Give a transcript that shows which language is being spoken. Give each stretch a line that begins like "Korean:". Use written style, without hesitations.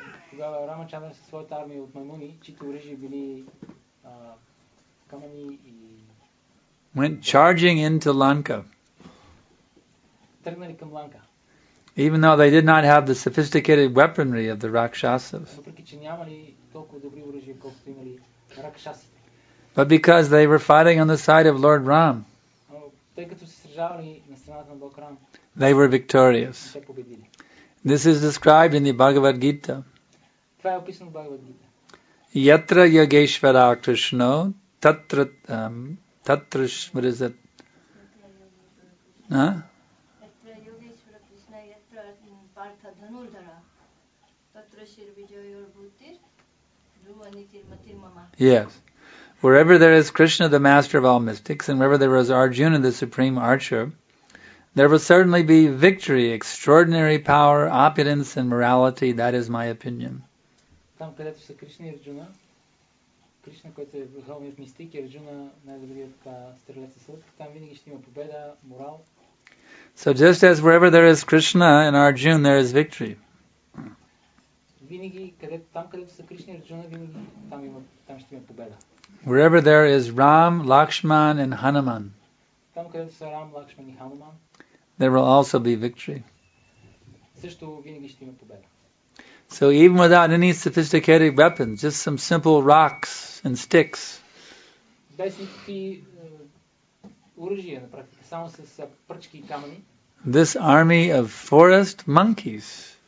Bulgarian: Тогава Рамачандра със своята армия от маймуни, чието оръжие били камъни и...
English: Went charging into Lanka.
Bulgarian: Тръгнали към Ланка.
English: Even though they did not have the sophisticated weaponry of the Rakshasas.
Bulgarian: Въпреки че нямали толкова добри оръжия, колкото имали Ракшасите.
English: But because they were fighting on the side of Lord Ram.
Bulgarian: Тъй като се сражавали на страната на Бог Рам.
English: They were victorious.
Bulgarian: Те победили.
English: This is described in the Bhagavad Gita.
Bulgarian: Това е описано в Бхагавад Гита.
Sanskrit: Yatra Yageshvara Krishna, tatra tatra
English: what is it?
Sanskrit: Yatra Yageshvara Krishna, yatra Partha Dhanurdhara, tatra Shir Vijayor Bhutir, Dhruva Nitir Matir Mama.
English: Yes. Wherever there is Krishna, the master of all mystics, and wherever there is Arjuna, the supreme archer, there will certainly be victory, extraordinary power, opulence, and morality. That is my opinion.
Bulgarian: Там където са Кришна и Арджуна, Кришна, който е върховният мистик, и Арджуна, най-добрият стрелец и слуг, там винаги ще има победа, морал.
English: So just as wherever there is Krishna and Arjuna, there is victory.
Bulgarian: Винаги, там където са Кришна и Арджуна, винаги там ще има победа.
English: Wherever there is Ram, Lakshman, and Hanuman.
Bulgarian: Там където са Рам, Лакшман и Хануман.
English: There will also be victory.
Bulgarian: Също винаги ще има победа.
English: So even without any sophisticated weapons, just some simple rocks and sticks.
Bulgarian: Без никакви оръжия на практика, само с пръчки и камъни.
English: This army of forest monkeys.